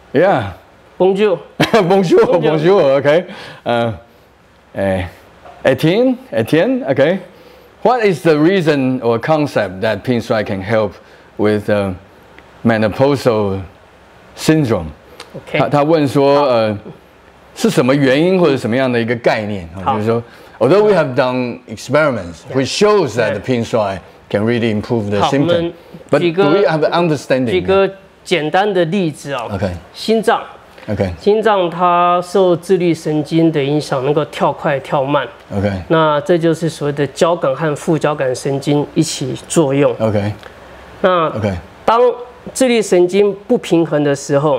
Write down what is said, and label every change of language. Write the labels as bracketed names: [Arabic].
[English] Yeah. [French] Bonjour. Bonjour, [English] okay. Etienne, okay. What is the reason or concept that Pingshuai can help with menopausal syndrome? Okay. [Chinese] 他问说是什么原因或者什么样的一个概念? 就是说, [English] although we have done experiments, which shows that the Pingshuai can really improve the symptom, but do we have an understanding? [Chinese] 简单的例子啊， [English] okay. [Chinese] 心脏， [English] okay. [Chinese] 心脏它受自律神经的影响，能够跳快跳慢， [English] okay. [Chinese] 那这就是所谓的交感和副交感神经一起作用， [English] okay. [Chinese] 那 [English] okay. [Chinese] 当自律神经不平衡的时候，